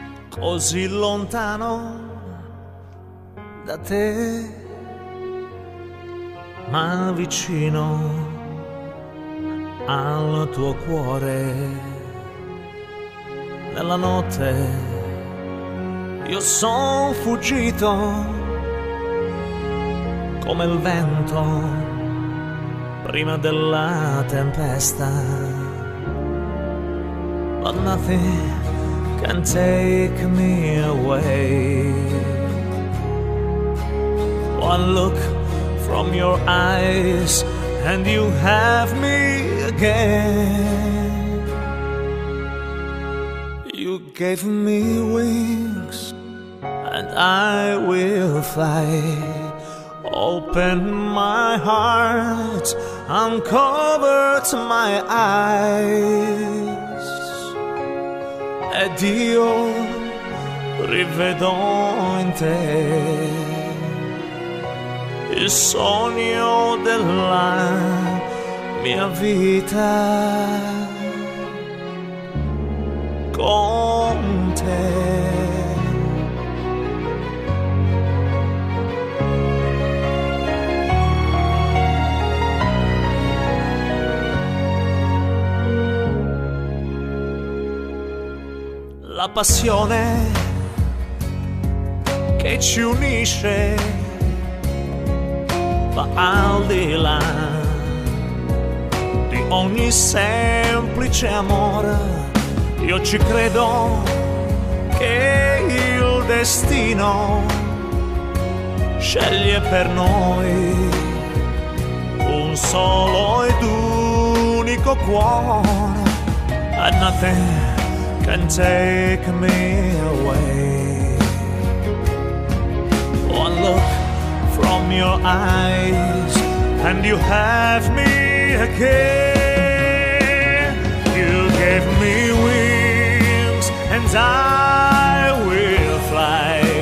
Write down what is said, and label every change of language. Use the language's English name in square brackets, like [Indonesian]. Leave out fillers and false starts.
[Italian] così lontano da te, ma vicino al tuo cuore. Nella notte io son fuggito come il vento prima della tempesta. [English] But nothing can take me away. One look from your eyes and you have me again. You gave me wings and I will fly. Open my heart, uncovered my eyes. [Italian] Ed io rivedo in te il sogno della mia vita con te. La passione che ci unisce va al di là di ogni semplice amore. Io ci credo che il destino sceglie per noi un solo ed unico cuore. [English] And nothing can take me away. One look from your eyes and you have me again. You gave me wings and I will fly.